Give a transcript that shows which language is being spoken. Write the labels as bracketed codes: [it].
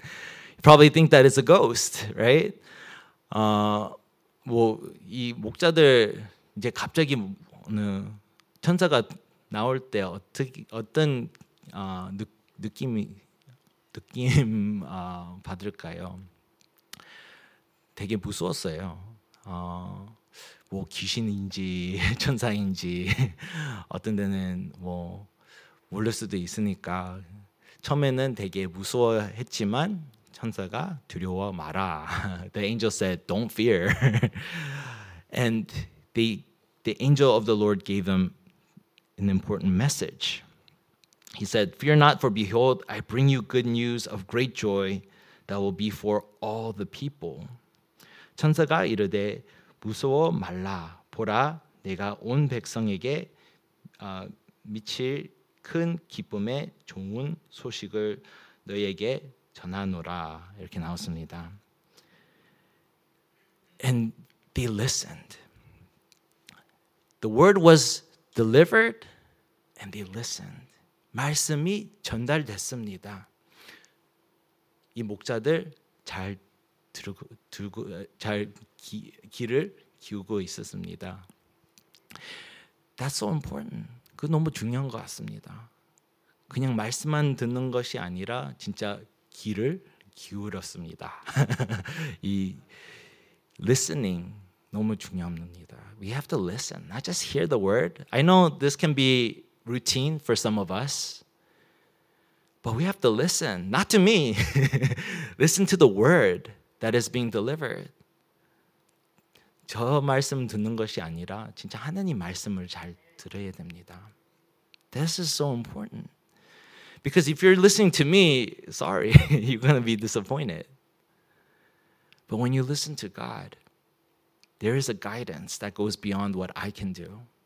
[en] You probably think that it's a ghost, right? [ko] 뭐 이 목자들 이제 갑자기 어느 천사가 나올 때 어떤 느낌 받을까요? 되게 무서웠어요. 뭐 귀신인지 천사인지 어떤 데는 뭐 모를 수도 있으니까 처음에는 되게 무서워했지만 천사가 두려워 마라. [en] The angel said, "Don't fear." And the angel of the Lord gave them an important message. He said, "Fear not, for behold, I bring you good news of great joy that will be for all the people." [ko] 천사가 이르되 무서워 말라. 보라, 내가 온 백성에게 미칠 큰 기쁨의 좋은 소식을 너에게 전하노라 이렇게 나왔습니다. [en] And they listened. The word was delivered, and they listened. [ko] 말씀이 전달됐습니다. 이 목자들 잘 들고 잘 귀를 기우고 있었습니다. [en] That's so important. [ko] 그 너무 중요한 것 같습니다. 그냥 말씀만 듣는 것이 아니라 진짜 귀를 기울였습니다. 이 listening 너무 중요합니다. [en] We have to listen, not just hear the word. I know this can be routine for some of us. But we have to listen, not to me. Listen to the word that is being delivered. [ko] 저 말씀 듣는 것이 아니라 진짜 하나님 말씀을 잘 들어야 됩니다. [en] This is so important. Because if you're listening to me, sorry, you're going to be disappointed. But when you listen to God, there is a guidance that goes beyond what I can do.